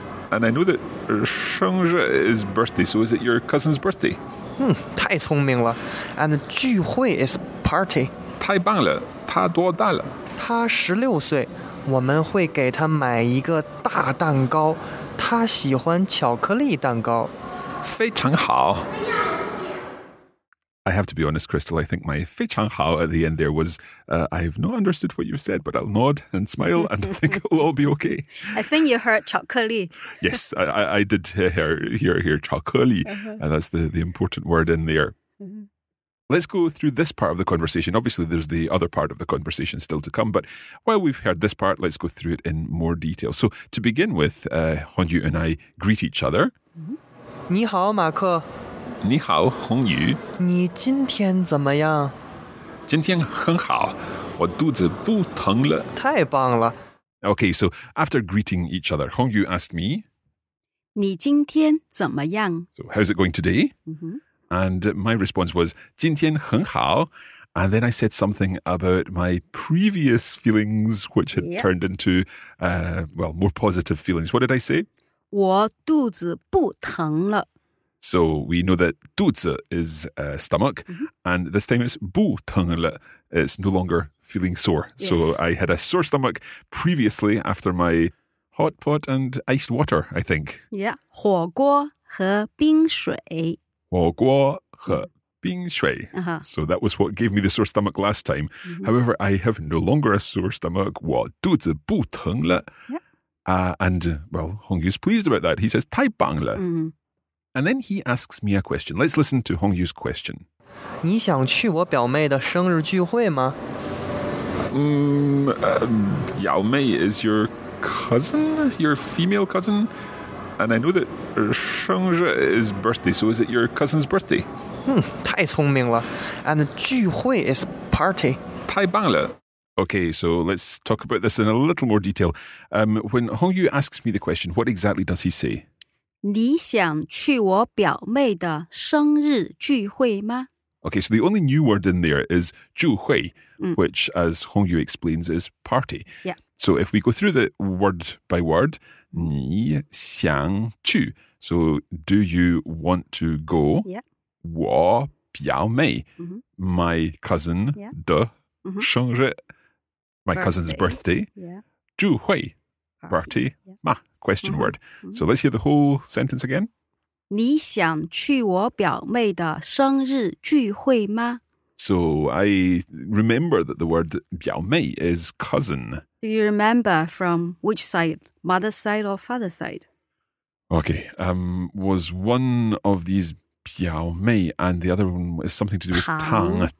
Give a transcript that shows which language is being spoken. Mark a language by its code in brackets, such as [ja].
[en] And I know that 生日 is birthday, so is it your cousin's birthday? [zh] 太聪明了。 [en] And 聚会 is party. [zh] 太棒了,他多大了? 他16岁,我们会给他买一个大蛋糕,他喜欢巧克力蛋糕。非常好。I [en] have to be honest, Crystal, I think my 非常好 at the end there was, I've not understood what you've said, but I'll nod and smile and I think it'll all be okay. I think you heard 巧克力. Yes, I did hear 巧克力, and that's the important word in there. Let's go through this part of the conversation. Obviously, there's the other part of the conversation still to come, but while we've heard this part, let's go through it in more detail. So to begin with, Hong Yu and I greet each other. [zh] 你好,马克。你好,红宇。你今天怎么样?今天很好,我肚子不疼了。太棒了。 [en] Okay, so after greeting each other, Hong Yu asked me, [zh] 你今天怎么样? [en] So how's it going today? And my response was, [zh] 今天很好, [en] and then I said something about my previous feelings, which had turned into, more positive feelings. What did I say? [zh] 我肚子不疼了。 [en] So we know that 肚子 is stomach, and this time it's [zh] 不疼了, [en] it's no longer feeling sore. Yes. So I had a sore stomach previously after my hot pot and iced water, I think. [zh] Yeah, 火锅和冰水。火锅和冰水。 [en] So that was what gave me the sore stomach last time. However, I have no longer a sore stomach. [zh] 我肚子不疼了。 [en] And Hong Yu's pleased about that. He says, [zh] 太棒了。 [en] And then he asks me a question. Let's listen to Hong Yu's question. [zh] 你想去我表妹的生日聚会吗? [en] Yao Mei is your cousin? Your female cousin? And I know that 生日 is birthday, so is it your cousin's birthday? [zh] 太聪明了。 [en] And 聚会 is party. [zh] 太棒了。 [en] Okay, so let's talk about this in a little more detail. When Hong Yu asks me the question, what exactly does he say? [zh] 你想去我表妹的生日聚会吗? [en] Okay, so the only new word in there is 聚会, which, as Hong Yu explains, is party. Yeah. So if we go through the word by word, [zh] 你想去, [en] so do you want to go? Yeah. [zh] 我表妹, [en] mm-hmm. my cousin, yeah. [zh] 的生日, [en] mm-hmm. my cousin's birthday. Yeah. 聚会, party, yeah. ma, question mm-hmm. word. Mm-hmm. So let's hear the whole sentence again. [zh] 你想去我表妹的生日聚会吗? [en] So I remember that the word 表妹 is cousin. Do you remember from which side? Mother's side or father's side? Okay. Was one of these 表妹 and the other one is something to do with 堂.